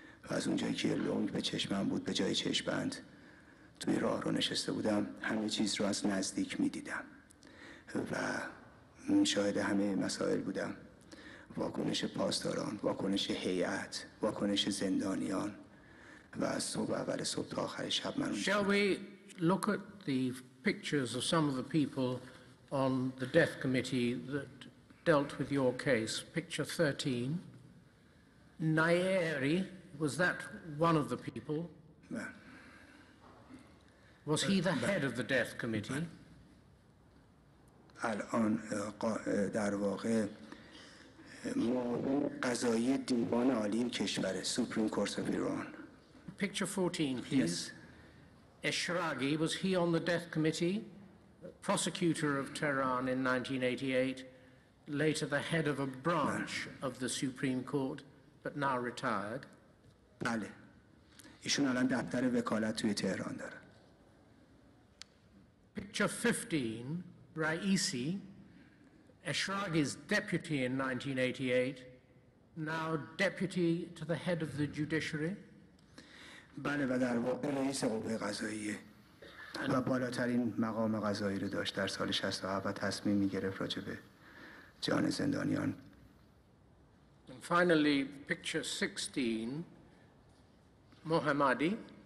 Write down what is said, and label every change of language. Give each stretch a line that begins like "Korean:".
Persian: و از اونجایی که لنگ به چشمم بود به جای چشمبند توی راهرو نشسته بودم، همه چیز رو از نزدیک می‌دیدم و شاهد همه مسائل بودم. واکنش پاسداران، واکنش هیئت، واکنش زندانیان. و از صبح اول صبح تا آخر شب من اونجا.
English: Shall we look at the pictures of some of the people on the death committee that dealt with your case? Picture 13. Nayeri, was that one of the people? Was he the head of the death committee?
Persian: الان در واقع معاون قضایی دیوان عالی کشور، سوپریم کورت آف ایران.
English: Picture 14, please. Yes. Eshraghi, was he on the death committee? Prosecutor of Tehran in 1988, later the head of a branch of the Supreme Court, but now retired.
Persian: بله. ایشون الان دفتر وکالت توی تهران داره.
English: Picture 15. Raisi, Eshraghi's deputy in 1988, now deputy to the head of the judiciary.
Persian: بله، و در واقع رئیس قوه قضاییه و بالاترین مقام قضایی رو داشت در سال 67 و تصمیم میگرفت راجع به جان زندانیان.
English: And finally, picture 16, Mohammadi.